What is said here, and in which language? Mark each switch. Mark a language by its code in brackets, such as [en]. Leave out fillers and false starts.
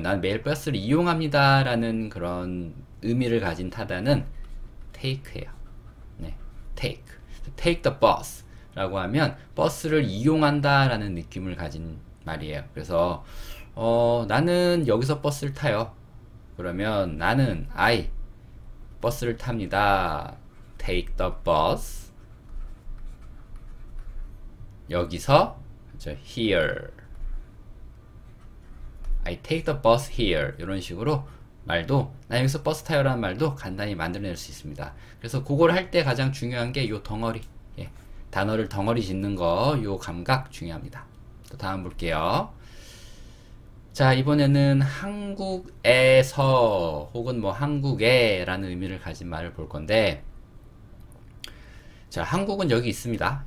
[ko] 나는 매일 버스를 이용합니다라는 그런 의미를 가진 타다는 take예요. 네, take. [en] Take the bus [ko] 라고 하면 버스를 이용한다라는 느낌을 가진 말이에요. 그래서 나는 여기서 버스를 타요. 그러면 나는 I 버스를 탑니다. [en] Take the bus [ko] 여기서 그렇죠, [en] here. I take the bus here. [ko] 이런 식으로 말도 나 여기서 버스 타요라는 말도 간단히 만들어낼 수 있습니다. 그래서 그걸 할때 가장 중요한 게요 덩어리. 예. 단어를 덩어리 짓는 거, 요 감각 중요합니다. 또 다음 볼게요. 자, 이번에는 한국에서 혹은 뭐 한국에라는 의미를 가진 말을 볼 건데, 자, 한국은 여기 있습니다.